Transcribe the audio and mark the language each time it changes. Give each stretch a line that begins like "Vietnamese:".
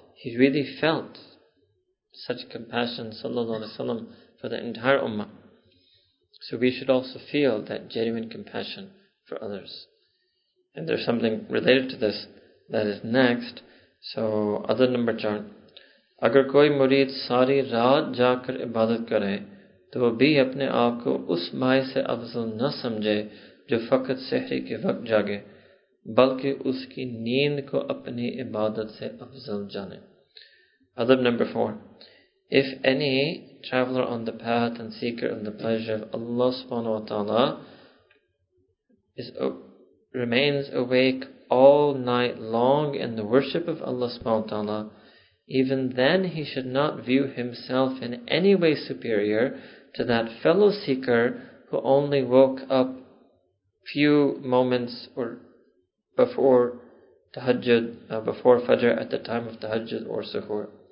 English: He really felt such compassion, Sallallahu Alaihi Wasallam, for the entire ummah. So we should also feel that genuine compassion for others. And there's something related to this that is next. So, other number chart.
Urdu: اگر کوئی مرید ساری رات جاگ کر عبادت کرے، تو بھی اپنے آپ کو اس میں سے افضل نہ سمجھے جو فقط سحری کے وقت جاگے، بلکہ اس کی نیند کو اپنی عبادت سے افضل جانے. ادب number 4.
English: If any traveler on the path and seeker in the pleasure of Allah subhanahu wa ta'ala remains awake all night long in the worship of Allah subhanahu wa ta'ala, even then he should not view himself in any way superior to that fellow seeker who only woke up few moments or before tahajjud, before fajr at the time of tahajjud or suhoor.